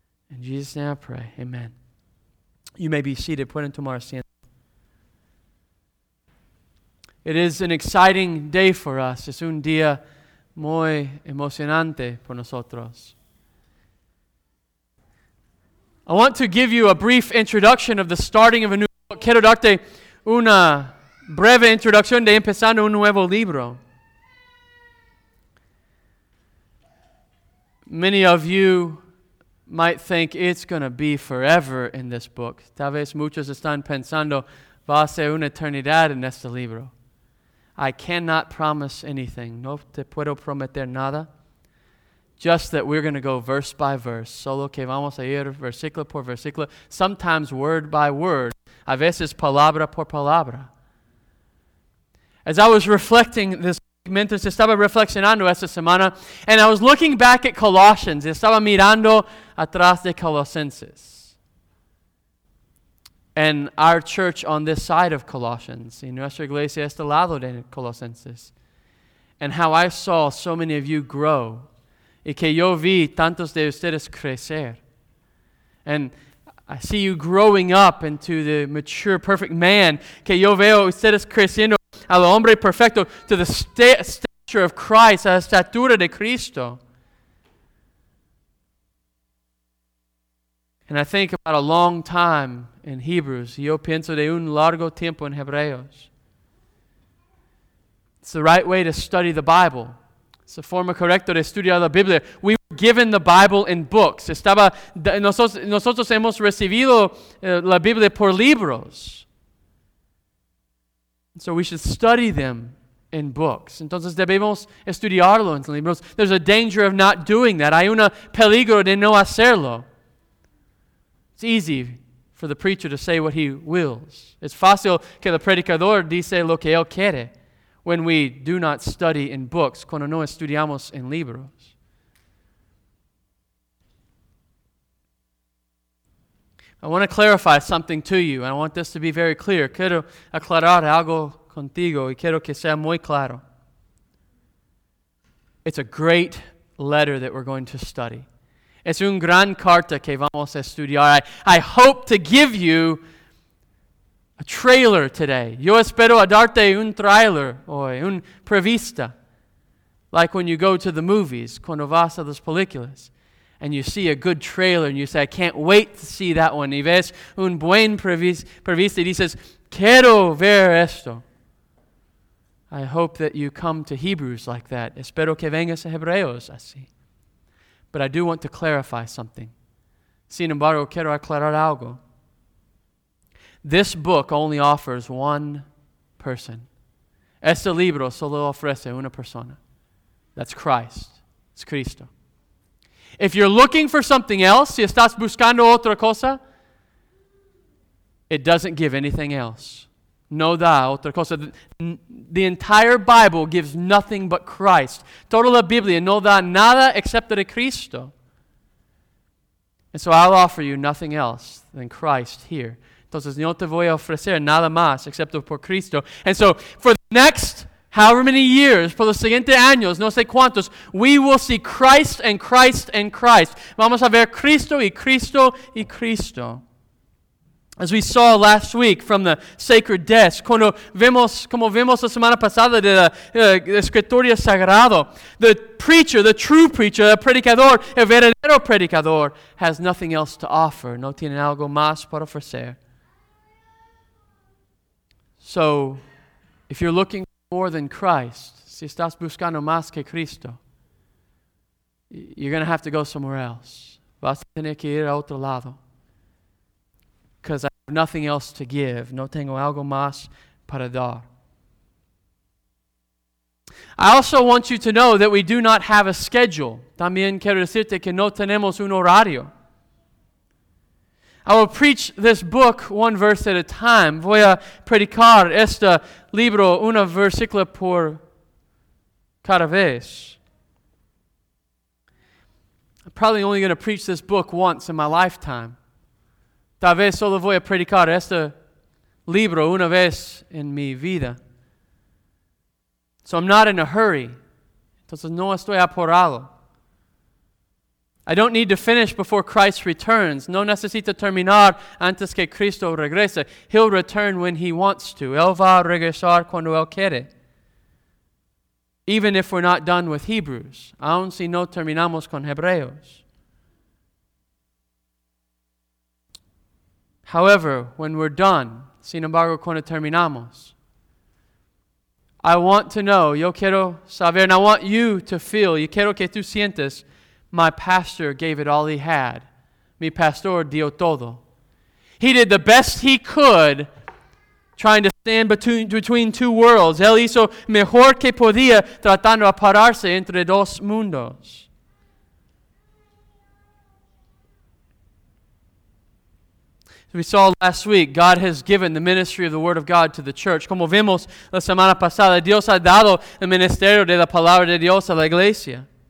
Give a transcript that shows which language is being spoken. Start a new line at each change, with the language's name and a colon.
English: In Jesus' name I pray, amen. You may be seated.
Spanish: Pueden tomar asiento.
English: It is an exciting day for us.
Spanish: Es un día muy emocionante por nosotros.
English: I want to give you a brief introduction of the starting of a new book.
Spanish: Quiero darte una breve introducción de empezando un nuevo libro.
English: Many of you might think it's going to be forever in this book.
Spanish: Tal vez muchos están pensando va a ser una eternidad en este libro.
English: I cannot promise anything.
Spanish: No te puedo prometer nada.
English: Just that we're going to go verse by verse.
Spanish: Solo que vamos a ir versículo por versículo.
English: Sometimes word by word.
Spanish: A veces palabra por palabra.
English: As I was reflecting this,
Spanish: mientras estaba reflexionando esta semana,
English: and I was looking back at Colossians,
Spanish: estaba mirando atrás de Colosenses.
English: And our church on this side of Colossians,
Spanish: y nuestra iglesia a este lado de Colosenses,
English: and how I saw so many of you grow,
Spanish: y que yo vi tantos de ustedes crecer,
English: and I see you growing up into the mature, perfect man,
Spanish: que yo veo ustedes creciendo al hombre perfecto,
English: to the stature of Christ,
Spanish: a la estatura de Cristo.
English: And I think about a long time in Hebrews.
Spanish: Yo pienso de un largo tiempo en Hebreos.
English: It's the right way to study the Bible. It's a
Spanish: forma correcta de estudiar la Biblia.
English: We were given the Bible in books.
Spanish: Nosotros hemos recibido la Biblia por libros.
English: So we should study them in books.
Spanish: Entonces debemos estudiarlo en libros.
English: There's a danger of not doing that.
Spanish: Hay un peligro de no hacerlo.
English: It's easy for the preacher to say what he wills.
Spanish: It's fácil que el predicador dice lo que él quiere
English: when we do not study in books,
Spanish: cuando no estudiamos en libros.
English: I want to clarify something to you, and I want this to be very clear.
Spanish: Quiero aclarar algo contigo y quiero que sea muy claro.
English: It's a great letter that we're going to study.
Spanish: Es un gran carta que vamos a estudiar.
English: I hope to give you a trailer today.
Spanish: Yo espero a darte un trailer hoy, un prevista.
English: Like when you go to the movies,
Spanish: cuando vas a las películas,
English: and you see a good trailer, and you say, I can't wait to see that one.
Spanish: Y ves un buen prevista, y dices, quiero ver esto.
English: I hope that you come to Hebrews like that.
Spanish: Espero que vengas a Hebreos así.
English: But I do want to clarify something.
Spanish: Sin embargo, quiero aclarar algo.
English: This book only offers one person.
Spanish: Este libro solo ofrece una persona.
English: That's Christ.
Spanish: It's Cristo.
English: If you're looking for something else,
Spanish: si estás buscando otra cosa,
English: it doesn't give anything else.
Spanish: No da otra cosa.
English: The entire Bible gives nothing but Christ.
Spanish: Toda la Biblia no da nada excepto de Cristo.
English: And so I'll offer you nothing else than Christ here.
Spanish: Entonces no te voy a ofrecer nada más excepto por Cristo.
English: And so for the next however many years,
Spanish: por los siguientes años, no sé cuántos,
English: we will see Christ and Christ and Christ.
Spanish: Vamos a ver Cristo y Cristo y Cristo.
English: As we saw last week from the sacred desk,
Spanish: cuando vemos, como vimos la semana pasada de la escritorio sagrado,
English: the preacher, the true preacher,
Spanish: el predicador, el verdadero predicador,
English: has nothing else to offer.
Spanish: No tiene algo más para ofrecer.
English: So, if you're looking more than Christ,
Spanish: si estás buscando más que Cristo,
English: you're going to have to go somewhere else.
Spanish: Vas a tener que ir a otro lado.
English: Because I have nothing else to give.
Spanish: No tengo algo más para dar.
English: I also want you to know that we do not have a schedule.
Spanish: También quiero decirte que no tenemos un horario.
English: I will preach this book one verse at a time.
Spanish: Voy a predicar este libro una versículo por cada vez.
English: I'm probably only going to preach this book once in my lifetime.
Spanish: Tal vez solo voy a predicar este libro una vez en mi vida.
English: So I'm not in a hurry.
Spanish: Entonces no estoy apurado.
English: I don't need to finish before Christ returns.
Spanish: No necesito terminar antes que Cristo regrese.
English: He'll return when he wants to.
Spanish: Él va a regresar cuando él quiere.
English: Even if we're not done with Hebrews.
Spanish: Aun si no terminamos con Hebreos.
English: However, when we're done,
Spanish: sin embargo, cuando terminamos,
English: I want to know,
Spanish: yo quiero saber,
English: and I want you to feel,
Spanish: yo quiero que tú sientes,
English: my pastor gave it all he had.
Spanish: Mi pastor dio todo.
English: He did the best he could trying to stand between two worlds.
Spanish: Él hizo mejor que podía tratando de pararse entre dos mundos.
English: We saw last week, God has given the ministry of the Word of God to the church.
Spanish: Como vimos la semana pasada, Dios ha dado el ministerio de la Palabra de Dios a la iglesia.